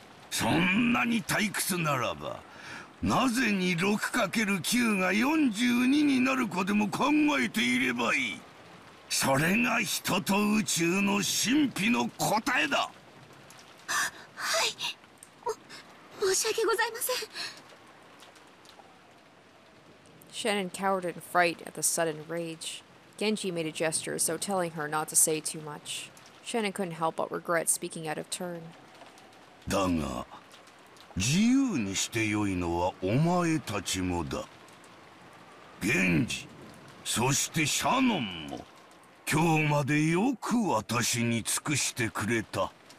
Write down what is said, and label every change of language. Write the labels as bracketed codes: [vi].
[ja] そんなに退屈ならばなぜに 6×9 が42になる子でも考えていればいい。それが人と宇宙の神秘の答えだ。はい、申し訳ございません。 [en] Shannon cowered in fright at the sudden rage. Genji made a gesture, so telling her not to say too much. Shannon couldn't help but regret speaking out of turn. [ja] だが、自由にしてよいのはお前たちもだ。 Genji、そしてシャノンも。今日までよく私に尽くしてくれた。